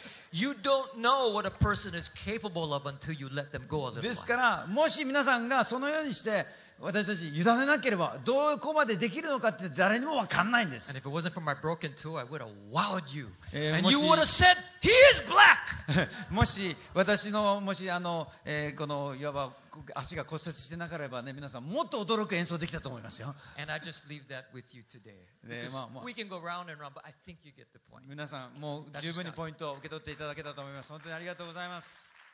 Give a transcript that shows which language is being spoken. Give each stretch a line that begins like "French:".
English: You don't know what a person is capable of until you let them go a little
Japanese: ですからもし皆さんがそのようにして私たち委ねなければどこまでできるのかって誰にも分かんないんです。
English: And if it wasn't for my broken tool, I would have wowed you. And you would have said, he is black!
Japanese: もし私の、もしあの、このいわば足が骨折してなければね、皆さんもっと驚く演奏できたと思いますよ。
English: And I just leave that with you today. Because we can go round and round, but I think you get the point.
Japanese: 皆さんもう十分にポイントを受け取っていただけたと思います。本当にありがとうございます。